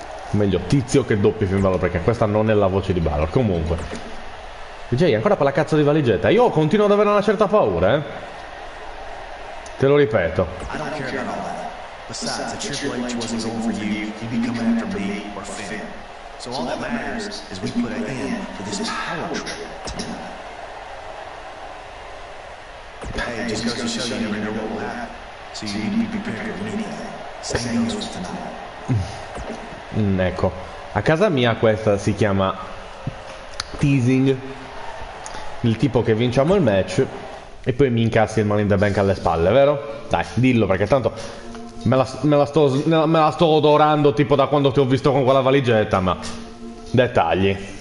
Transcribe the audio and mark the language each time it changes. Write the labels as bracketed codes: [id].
[it] Meglio tizio che doppio Finn Balor, perché questa non è la voce di Balor. Comunque. Jay, ancora per la cazzo di valigetta. Io continuo ad avere una certa paura, eh. Te lo ripeto. [en] I don't care about that. Besides, the Triple H wasn't going for you, he'd be coming after me or Finn. So all that matters is we put an end to this power trip. Hey, just goes to show you never know what will happen. So you need to be prepared for anything. Same goes for tonight. [it] Ecco, a casa mia questa si chiama teasing. Il tipo che vinciamo il match e poi mi incassi il Money in the Bank alle spalle, vero? Dai, dillo, perché tanto me la sto odorando tipo da quando ti ho visto con quella valigetta, ma dettagli.